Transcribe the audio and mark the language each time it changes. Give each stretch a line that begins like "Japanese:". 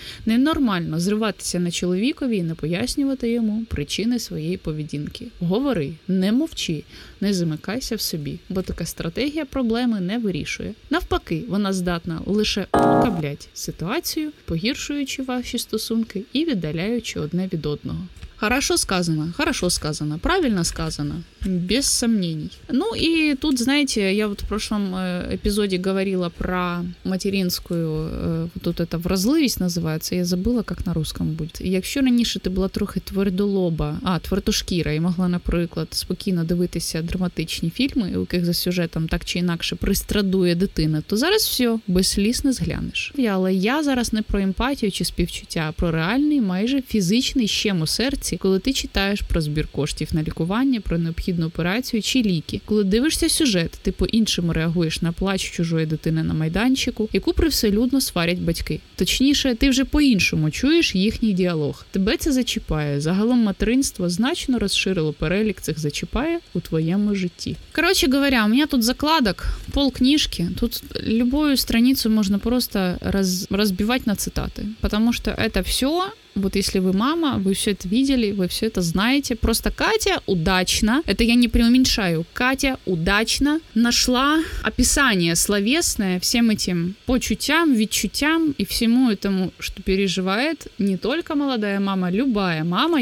Ukrainian: Ненормально зриватися на чоловікові і не пояснювати йому причини своєї поведінки. Говори, не мовчи, не замикайся в собі, бо така стратегія проблеми не вирішує. Навпаки, вона здатна лише укабляти ситуацію, погіршуючи ваші стосунки і віддаляючи одне від одного.
Russian: Хорошо сказано, правильно сказано, без сомнений. Ну и тут, знаете, я вот в прошлом эпизоде говорила про материнскую, вот тут это вразливість называется, я забыла, как на русском будет.
Ukrainian: Якщо раніше ти була трохи твердолоба, твердошкіра, і могла, наприклад, спокійно дивитися драматичні фільми, у яких за сюжетом так чи інакше пристрадує дитина, то зараз все, без сліз не зглянеш. Але я зараз не про емпатію чи співчуття, а про реальний, майже фізичний щем у серці, коли ти читаєш про збір коштів на лікування, про необхідну операцію чи ліки. Коли дивишся сюжет, ти по-іншому реагуєш на плач чужої дитини на майданчику, яку привселюдно сварять батьки. Точніше, ти вже по-іншому чуєш їхній діалог. Тебе це зачіпає. Загалом материнство значно розширило перелік цих зачіпає у твоєму житті. Коротше говоря, у мене тут закладок, пол книжки. Тут любую страницю можна просто розбивати на цитати. Тому що це все...
Russian: Вот если вы мама, вы все это видели, вы все это знаете. Просто Катя удачно, это я не преуменьшаю, Катя удачно нашла описание словесное всем этим почутям, ведчутям и всему этому, что переживает не только молодая мама, любая мама.